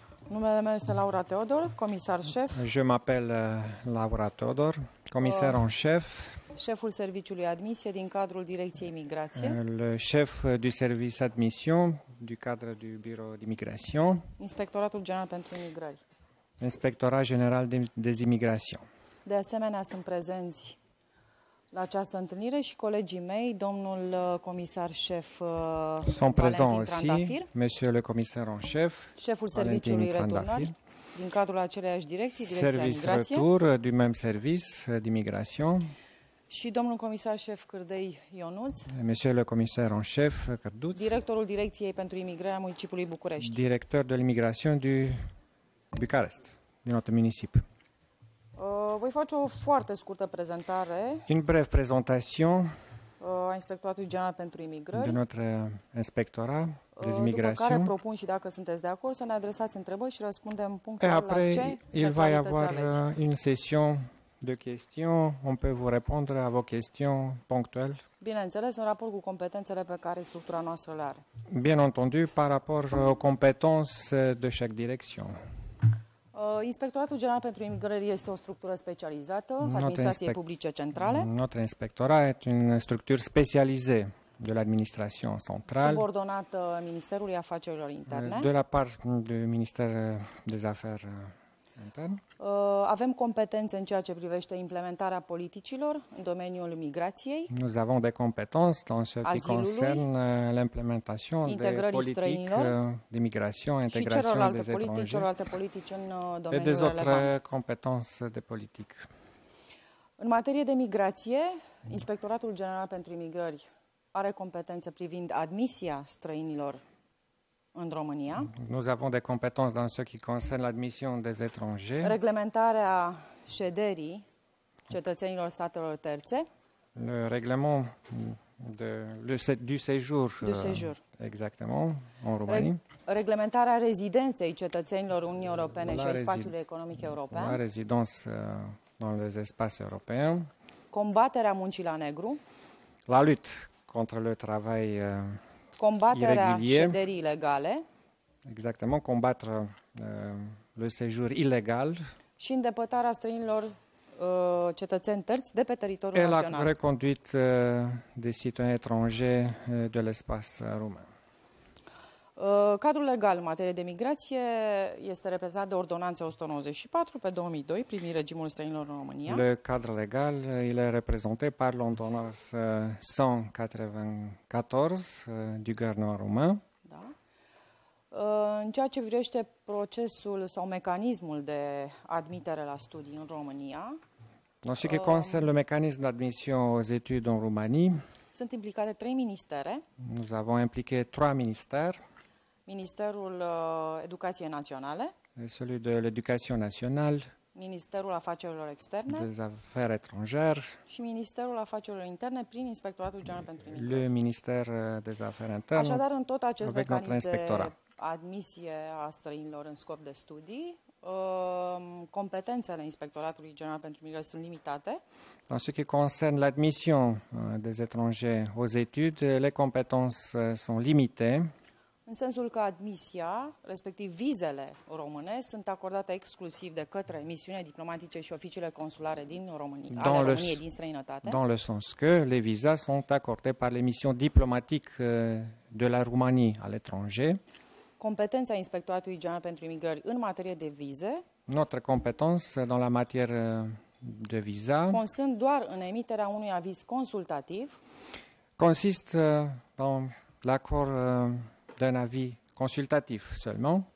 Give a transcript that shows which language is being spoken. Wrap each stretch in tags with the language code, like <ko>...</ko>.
<ro>Numele meu este Laura Teodor, comisar șef.</ro> <fr>Je m'appelle Laura Teodor, comisar en chef.</fr> <ro>Șeful serviciului admisie din cadrul Direcției Migrație.</ro> <fr>Le chef du service admission du cadre du bureau d'immigration.</fr> <ro>Inspectoratul General pentru Imigrari.</ro> <fr>Inspectorat General des Immigrations.</fr> <ro>De asemenea, sunt prezenți la această întâlnire și colegii mei, domnul comisar șef sunt prezenți</ro> <fr>aussi, monsieur le commissaire en chef,</fr> <ro>șeful serviciului returnări din cadrul aceleiași direcții, Direcția</ro> <fr>service</fr> <ro>Migrație.</ro> <fr>Retour du même service d'immigration.</fr> <ro>Și domnul comisar șef Cârdei Ionuț,</ro> <fr>monsieur le commissaire en chef Cârduț,</fr> <ro>directorul Direcției pentru Imigrarea municipiului București.</ro> <fr>Directeur de l'immigration du Bucarest,</fr> <ro>din</ro> <fr>notre municipiu.</fr> <ro>Voi face o foarte scurtă prezentare.</ro> <fr>Une brève présentation.</fr> <ro>A Inspectoratului General pentru Imigrări.</ro> <fr>De notre inspectorat des immigrations.</fr> <ro>După care propun și dacă sunteți de acord să ne adresați întrebări și răspundem punctual la ce.</ro> <fr>Il va y avoir une session de questions, on peut vous répondre à vos questions ponctuelles.</fr> <ro>Bineînțeles, în raport cu competențele pe care structura noastră le are.</ro> <fr>Bien entendu, par rapport aux compétences de chaque direction.</fr> <ro>Inspectoratul General pentru Imigrări este o structură specializată administrației publice centrale.</ro> <fr>Notre inspectorat est une structure spécialisée de l'administration centrale.</fr> <ro>Subordonată Ministerului Afacerilor Interne.</ro> <fr>De la part du ministère des Affaires Internes.</fr> <ro>Avem competențe în ceea ce privește implementarea politicilor în domeniul migrației.</ro> <fr>Nous avons des compétences dans ce qui concerne l'implementation des politiques d'immigration, intégration des étrangers.</fr> <ro>Și celorlalte politici în domeniul relevant.</ro> <fr>Et des autres compétences de politique.</fr> <ro>În materie de migrație, Inspectoratul General pentru Imigrări are competențe privind admisia străinilor în România.</ro> <fr>Nous avons des compétences dans ce qui concerne l'admission des étrangers. Reglementarea șederii cetățenilor statelor terțe. Le règlement de du séjour. Exactement, en Roumanie.</fr> <ro>Reglementarea rezidenței cetățenilor Uniunii Europene și a spațiului economic european.</ro> <fr>La résidence dans les espaces européens.</fr> <ro>Combaterea muncii la negru.</ro> <fr>La lutte contre le travail</fr> <ro>combaterea șederii ilegale.</ro> <fr>Exactement, combattre le séjour illégal.</fr> <ro>Și îndepărtarea străinilor cetățeni terți de pe teritoriul național.</ro> <fr>Et la reconduite des citoyens étrangers de l'espace roumain.</fr> <ro>Cadrul legal în materie de migrație este reprezentat de ordonanța 194 pe 2002 privind regimul străinilor în România.</ro> <fr>Le cadre legal il est représenté par l'ordonnance 194 du gouvernement roumain.</fr> <ro>Da. În ceea ce privește procesul sau mecanismul de admitere la studii în România.</ro> <fr>Dans ce qui concerne le mécanisme d'admission aux études en Roumanie.</fr> <ro>Sunt implicate trei ministere.</ro> <fr>Nous avons impliqué trois ministères.</fr> <ro>Ministerul Educației Naționale.</ro> <fr>Celui de l'Éducation Nationale.</fr> <ro>Ministerul Afacerilor Externe.</ro> <fr>Des Affaires Étrangères.</fr> <ro>Și Ministerul Afacerilor Interne prin Inspectoratul General pentru Imigrări.</ro> <fr>Le Ministère des Affaires Internes.</fr> <ro>Așadar, în tot acest mecanism de admisie a străinilor în scop de studii, competențele Inspectoratului General pentru Imigrări sunt limitate.</ro> <fr>En ce qui concerne l'admission des étrangers aux études, les compétences sont limitées.</fr> <ro>În sensul că admisia, respectiv vizele române, sunt acordate exclusiv de către misiunile diplomatice și oficiile consulare din România, ale României, din străinătate.</ro> <fr>Dans le sens que les visas sont accordés par les missions diplomatiques de la Roumanie à l'étranger.</fr> <ro>Competența Inspectoratului General pentru Imigrări în materie de vize.</ro> <fr>Notre compétence dans la matière de visa.</fr> <ro>Constând doar în emiterea unui aviz consultativ.</ro> <fr>Consiste dans l'accord d'un avis consultatif seulement.</fr>